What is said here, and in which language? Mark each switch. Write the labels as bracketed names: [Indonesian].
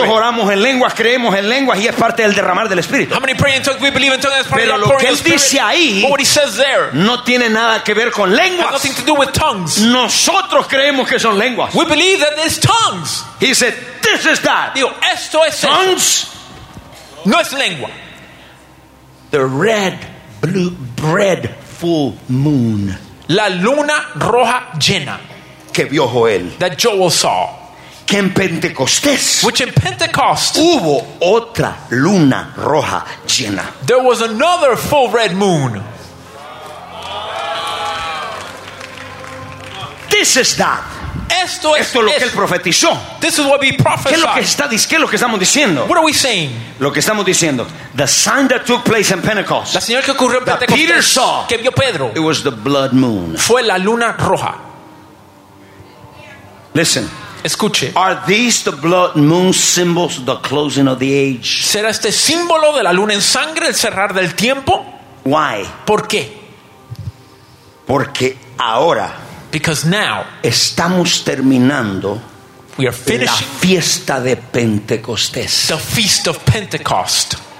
[Spanish] ¿Cuántos oramos en lenguas, creemos en lenguas y es parte del derramar del Espíritu? [English] How many pray in tongues? We believe in tongues. [Spanish] Pero lo que él dice ahí, [English] but what he says there, [Spanish] no tiene nada que ver con lenguas. [English] Has nothing to do with tongues. [Spanish] Nosotros creemos que son lenguas. [English] We believe that it's tongues. He said, "This is that." [Spanish] Digo, esto es [English] tongues. [Spanish] Eso. No es lengua. [English] The red, blue, bread. Full moon. [Spanish] La luna roja llena. Que vio Joel. [English] That Joel saw. [Spanish] Que en Pentecostés. [English] Which in Pentecost. [Spanish] Hubo otra luna roja llena. [English] There was another full red moon. This is that. [Spanish] Esto es lo que él profetizó. [English] This is what we prophesied. [Spanish] ¿Qué es lo que estamos diciendo? [English] What are we saying? [Spanish] Lo que estamos diciendo. [English] The sign that took place in Pentecost. [Spanish] La señal que ocurrió en Pentecostés. [English] Peter saw. [Spanish] Que vio Pedro. [English] It was the blood moon. [Spanish] Fue la luna roja. [English] Listen. [Spanish] Escuche. [English] Are these the blood moon symbols, the closing of the age? [Spanish] ¿Será este símbolo de la luna en sangre el cerrar del tiempo? [English] Why? [Spanish] ¿Por qué? Porque ahora. [English] Because now [Spanish] estamos terminando, [English] we are finishing [Spanish] la fiesta de Pentecostés. [English] The feast of Pentecost.